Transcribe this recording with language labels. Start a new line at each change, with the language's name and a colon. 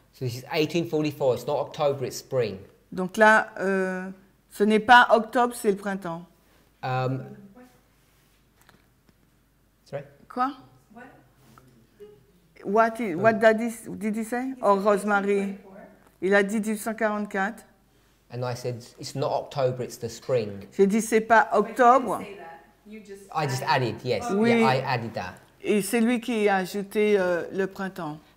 English: So this is 1844, it's not October, it's spring.
French: Donc là, ce n'est pas octobre, c'est le printemps.
English: Sorry?
French: Quoi?
English: What did he say? Or Rosemary?
French: Il a dit 1844.
English: And I said, it's not October, it's the spring.
French: J'ai dit, c'est pas octobre.
English: I just added, yes. Oui. Yeah, I added that.
French: Et c'est lui qui a ajouté le printemps.